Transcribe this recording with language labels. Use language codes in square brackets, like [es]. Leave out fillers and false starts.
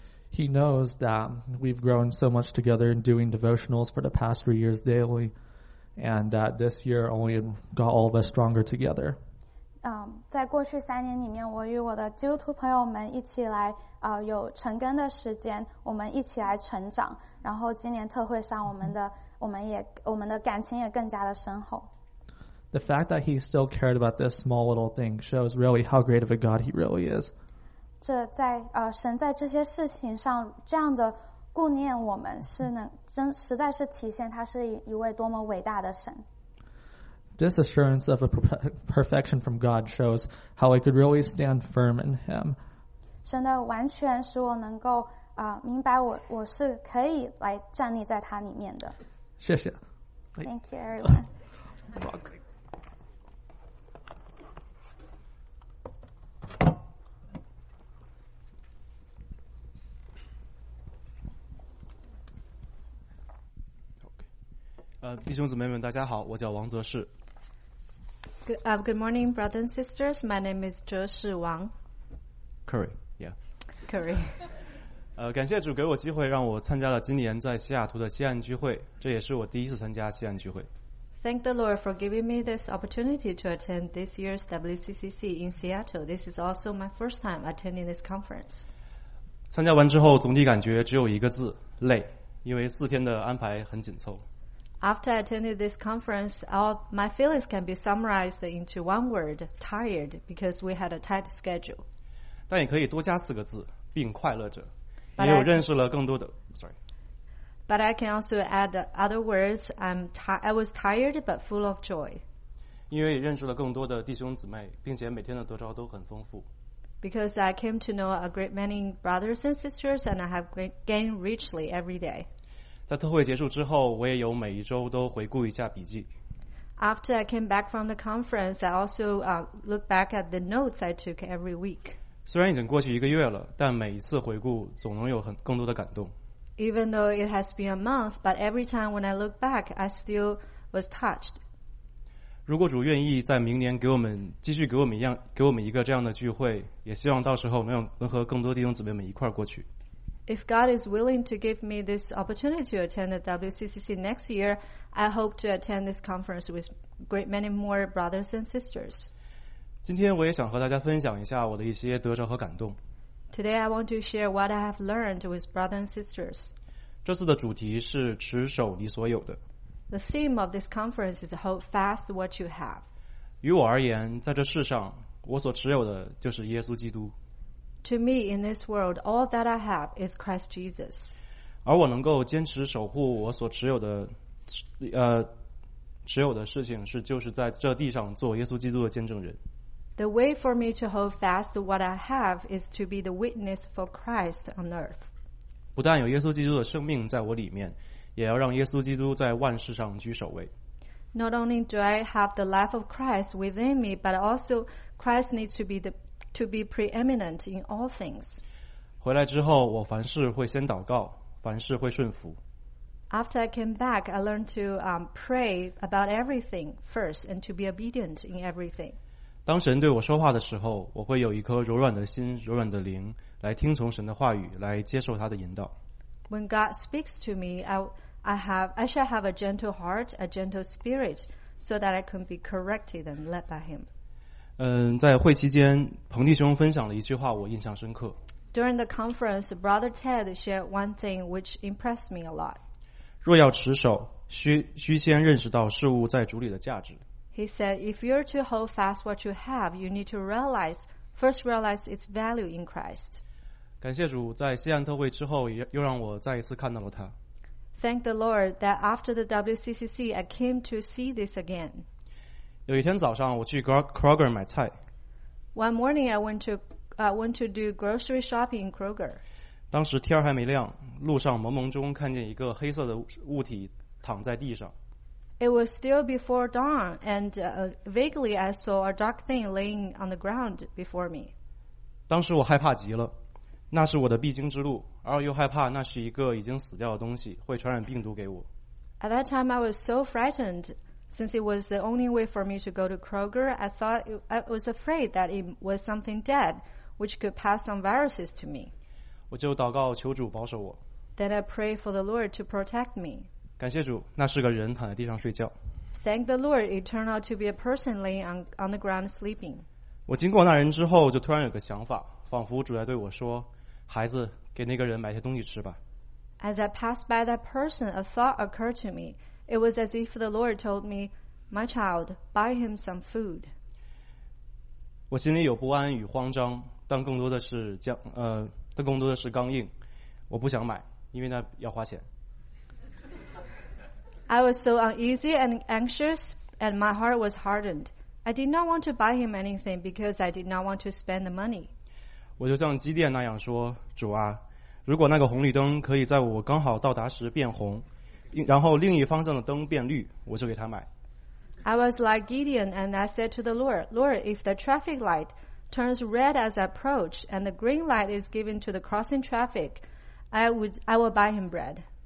[en] He knows that we've grown so much together in doing devotionals for the past 3 years daily, and that this year only got all of us stronger together. [zh] 在过去三年里面，我与我的基督徒朋友们一起来有成根的时间，我们一起来成长。然后今年特会上，我们的感情也更加的深厚。 [en] The fact that he still cared about this small little thing shows really how great of a God he really is. [zh] 这在神在这些事情上这样的顾念我们，是能真实在是体现他是一位多么伟大的神。 [en] This assurance of a perfection from God shows how I could really stand firm in Him. [zh] 神的完全使我能够明白我是可以来站立在他里面的。谢谢。 [en] Thank you, everyone. [zh] 弟兄姊妹们，大家好，我叫王泽世。 [en] Good morning, brothers and sisters. My name is 哲世王。 Curry, yeah. Curry. [zh] 感谢主给我机会，让我参加了今年在西雅图的西岸聚会，这也是我第一次参加西岸聚会。 [en] Thank the Lord for giving me this opportunity to attend this year's WCCC in Seattle. This is also my first time attending this conference. [zh] 参加完之后，总体感觉只有一个字：累，因为四天的安排很紧凑。 [en] After I attended this conference, all my feelings can be summarized into one word: tired, because we had a tight schedule. [zh] 但也可以多加四个字：并快乐着，也有认识了更多的。 [en] Sorry. But I can also add other words. I was tired, but full of joy. [zh] 因为认识了更多的弟兄姊妹，并且每天的得着都很丰富。 [en] Because I came to know a great many brothers and sisters, and I have gained richly every day. [zh] 在特会结束之后，我也有每一周都回顾一下笔记。 [en] After I came back from the conference, I also look back at the notes I took every week. [zh] 虽然已经过去一个月了，但每一次回顾总能有更多的感动。 [en] Even though it has been a month, but every time when I look back, I still was touched. [zh] 如果主愿意在明年给我们一个这样的聚会，也希望到时候能和更多弟兄姊妹们一块过去。 [en] If God is willing to give me this opportunity to attend the WCCC next year, I hope to attend this conference with great many more brothers and sisters. [zh] 今天我也想和大家分享一下我的一些得着和感动。 [en] Today I want to share what I have learned with brothers and sisters. [zh] 这次的主题是持守你所有的。 [en] The theme of this conference is hold fast what you have. [zh] 与我而言，在这世上，我所持有的就是耶稣基督。 [en] To me, in this world, all that I have is Christ Jesus. [zh] 而我能够坚持守护我所持有的，持有的事情是就是在这地上做耶稣基督的见证人。 [en] The way for me to hold fast what I have is to be the witness for Christ on earth. [zh] 不但有耶稣基督的生命在我里面，也要让耶稣基督在万事上居首位。 [en] Not only do I have the life of Christ within me, but also Christ needs to be preeminent in all things. [zh] 回来之后，我凡事会先祷告，凡事会顺服。 [en] After I came back, I learned to pray about everything first and to be obedient in everything. [zh] 当神对我说话的时候，我会有一颗柔软的心，柔软的灵，来听从神的话语，来接受他的引导。 [en] When God speaks to me, I shall have a gentle heart, a gentle spirit, so that I can be corrected and led by Him. [zh] 在会期间，彭弟兄分享了一句话，我印象深刻。 [en] During the conference, Brother Ted shared one thing which impressed me a lot. [zh] 若要持守，须先认识到事物在主里的价值。 [en] He said, if you're to hold fast what you have, you need to first realize its value in Christ. [zh] 感谢主，在西岸特会之后，又让我再一次看到了他。 [en] Thank the Lord that after the WCCC, I came to see this again. [zh] 有一天早上，我去 Kroger 买菜。 [en] One morning, I went to do grocery shopping in Kroger. [zh] 当时天还没亮，路上朦胧中看见一个黑色的物体躺在地上。 [en] It was still before dawn, and vaguely I saw a dark thing laying on the ground before me. [zh] 当时我害怕极了，那是我的必经之路，而又害怕那是一个已经死掉的东西，会传染病毒给我。 [en] At that time, I was so frightened, since it was the only way for me to go to Kroger. I was afraid that it was something dead, which could pass some viruses to me. [zh] 我就祷告求主保守我。 [en] Then I prayed for the Lord to protect me. [zh] 感谢主，那是个人躺在地上睡觉。 [en] Thank the Lord, it turned out to be a person laying on the ground sleeping. [zh] 我经过那人之后，就突然有个想法，仿佛主在对我说：“孩子，给那个人买些东西吃吧。” [en] As I passed by that person, a thought occurred to me. It was as if the Lord told me, "My child, buy him some food." [zh] 我心里有不安与慌张，但更多的是刚硬。我不想买，因为那要花钱。 [en] I was so uneasy and anxious, and my heart was hardened. I did not want to buy him anything because I did not want to spend the money. [zh] 我就像基甸那样说，主啊，如果那个红绿灯可以在我刚好到达时变红，然后另一方向的灯变绿，我就给他买。 [en] I was like Gideon, and I said to the Lord, Lord, if the traffic light turns red as I approach, and the green light is given to the crossing traffic, I will buy him bread.